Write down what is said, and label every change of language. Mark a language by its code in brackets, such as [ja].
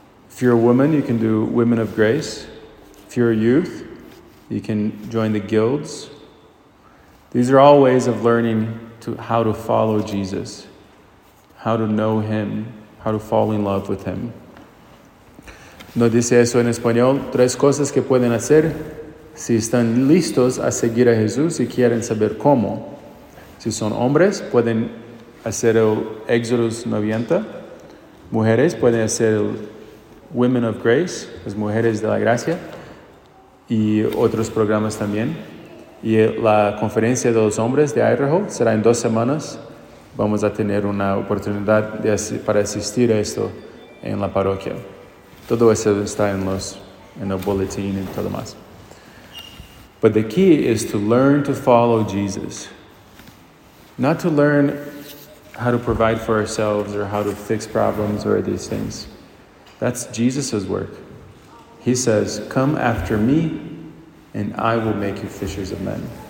[en] If you're a woman, you can do Women of Grace. If you're a youth, you can join the guilds. These are all ways of learning to how to follow Jesus, how to know Him, how to fall in love with Him. [es] No dice eso en español. Tres cosas que pueden hacer si están listos a seguir a Jesús y quieren saber cómo. Si son hombres, pueden hacer el Exodus 90. Mujeres, pueden hacer el Women of Grace, las Mujeres de la Gracia, y otros programas también. Y la conferencia de los hombres de Idaho será en 2 semanas. Vamos a tener una oportunidad para asistir a esto en la parroquia. Todo eso está en el boletín y todo más. [en] But the key is to learn to follow Jesus. Not to learn how to provide for ourselves or how to fix problems or these things. That's Jesus' work. He says, come after me, and I will make you fishers of men.